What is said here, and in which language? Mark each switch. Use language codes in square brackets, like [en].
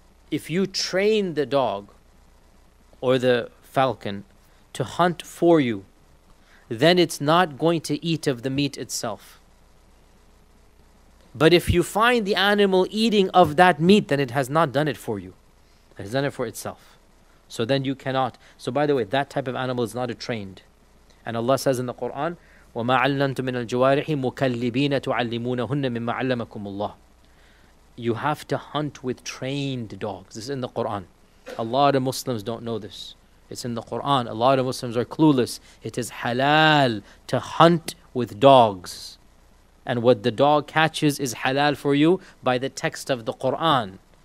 [en] If you train the dog or the falcon to hunt for you, then it's not going to eat of the meat itself. But if you find the animal eating of that meat, then it has not done it for you. It has done it for itself. So then you cannot. So by the way, that type of animal is not a trained. And Allah says in the Quran, [ar] وَمَا عَلَّنْتُ مِنَ الْجُوَارِحِ مُكَلِّبِينَ تُعَلِّمُونَهُنَّ مِمَّا عَلَّمَكُمُ اللَّهِ. [en] You have to hunt with trained dogs. This is in the Quran. A lot of Muslims don't know this. It's in the Quran. A lot of Muslims are clueless. It is halal to hunt with dogs. And what the dog catches is halal for you by the text of the Quran.